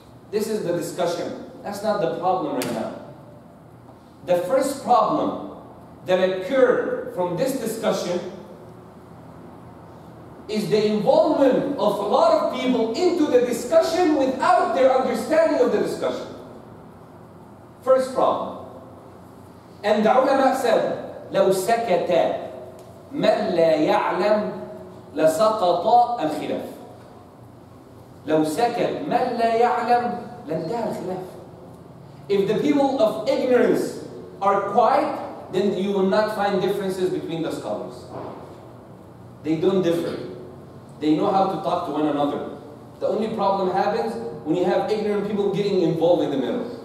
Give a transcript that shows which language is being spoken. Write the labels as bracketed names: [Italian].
[English] This is the discussion. That's not the problem right now. The first problem that occurred from this discussion is the involvement of a lot of people into the discussion without their understanding of the discussion. First problem. And the ulama said, [Arabic] لو سكت من لا يعلم لسقط الخلاف. لو سكت من لا يعلم لانتهى الخلاف. [English] If the people of ignorance are quiet, then you will not find differences between the scholars. They don't differ. They know how to talk to one another. The only problem happens when you have ignorant people getting involved in the middle.